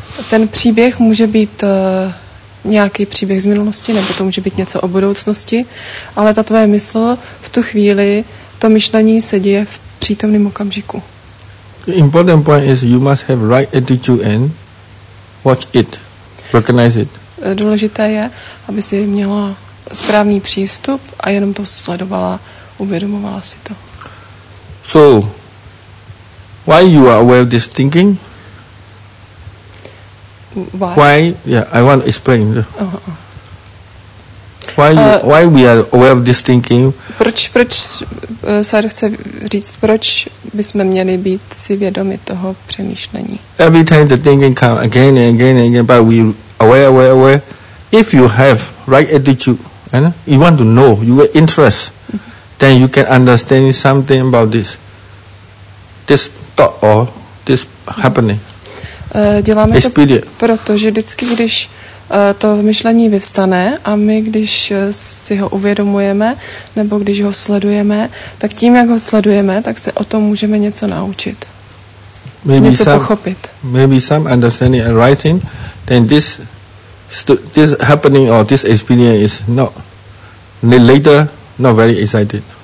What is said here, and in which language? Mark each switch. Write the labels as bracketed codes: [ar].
[cs] Ten příběh může být nějaký příběh z minulosti, nebo to může být něco o budoucnosti, ale ta tvoje mysl v tu chvíli, to myšlení se děje v přítomném okamžiku. [en] The important point is you must have right attitude and watch it, recognize it. [cs] Důležité je, aby si měla správný přístup a jenom to sledovala, uvědomovala si to. [en] So, why you are aware of this thinking? Why? Yeah, I want to explain. Why we are aware of this thinking? [cs] Proč Sar chce říct, proč bysme měli být si vědomi toho přemýšlení? [en] Every time the thinking come again and again and again, but we aware. If you have right attitude, you want to know, you have interest, then you can understand something about this thought or this happening. [cs] Děláme to proto, že vždycky, když to myšlení vyvstane a my, když si ho uvědomujeme nebo když ho sledujeme, tak tím, jak ho sledujeme, tak se o tom můžeme něco naučit. [en] Maybe [cs] něco pochopit. [en] Maybe some understanding and writing, then this happening or this experience is not later, not very excited.